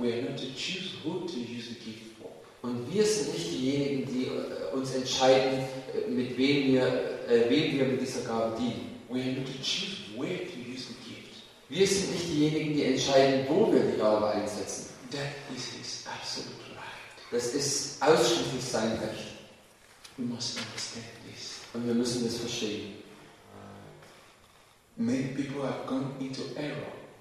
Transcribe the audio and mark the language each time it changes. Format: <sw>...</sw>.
<en>We are not to choose who to use the gift for.</en> <de>Und wir sind nicht diejenigen, die uns entscheiden, mit wem wir mit dieser Gabe dienen.</de> <en>We are not to choose where to use the gift.</en> <de>Wir sind nicht diejenigen, die entscheiden, wo wir die Gabe einsetzen.</de> <en>That is his absolute right.</en> <de>Das ist ausschließlich sein Recht.</de> <en>We must understand this.</en> <de>Und wir müssen das verstehen.</de> <en>Many people have gone into error.</en>